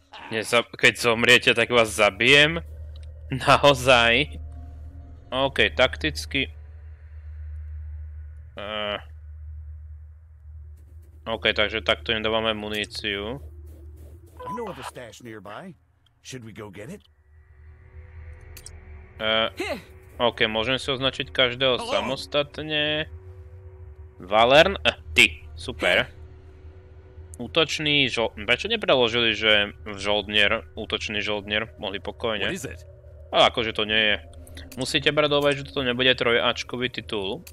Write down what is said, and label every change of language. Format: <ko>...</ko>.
<sk>Keď zomriete, tak vás zabijem? Naozaj? OK, takticky... OK, takže takto im dávame muníciu.</sk> <en>I know of a stash nearby. Should we go get it?</en> <sk>OK, môžem si označiť každého samostatne. Valern, ty, super. Útočný žoldnier, prečo nepreložili, že žoldnier, útočný žoldnier, mohli pokojne. Ale akože to nie je. Musíte brať do úvahy, že toto nebude trojačkový titul.</sk>